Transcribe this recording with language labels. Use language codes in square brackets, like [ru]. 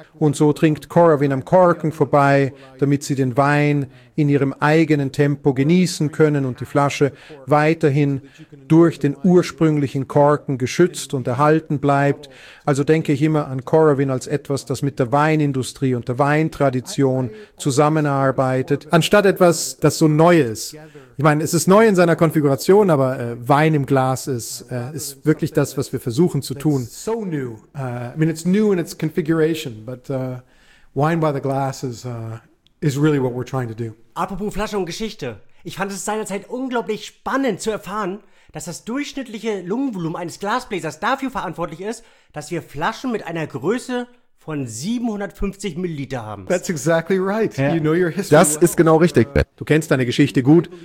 [de] Und so trinkt Korovin am Korken vorbei, damit sie den Wein in ihrem eigenen Tempo genießen können und die Flasche weiterhin durch den ursprünglichen Korken geschützt und erhalten bleibt. Also denke ich immer an Korovin als etwas, das mit der Weinindustrie und der Weintradition zusammenarbeitet, anstatt etwas, das so neu ist. Ich meine, es ist neu in seiner Konfiguration, aber Wein im Glas ist wirklich das, was wir versuchen zu tun. [en] So new. I mean, it's new in its configuration, but Wine by the Glass is really what we're trying to do. [de] Apropos Flasche und Geschichte. Ich fand es seinerzeit unglaublich spannend zu erfahren, dass das durchschnittliche Lungenvolumen eines Glasbläsers dafür verantwortlich ist, dass wir Flaschen mit einer Größe von 750 Milliliter haben. [en] That's exactly right. Yeah. You know your history. [de] Das ist genau richtig. Du kennst deine Geschichte gut.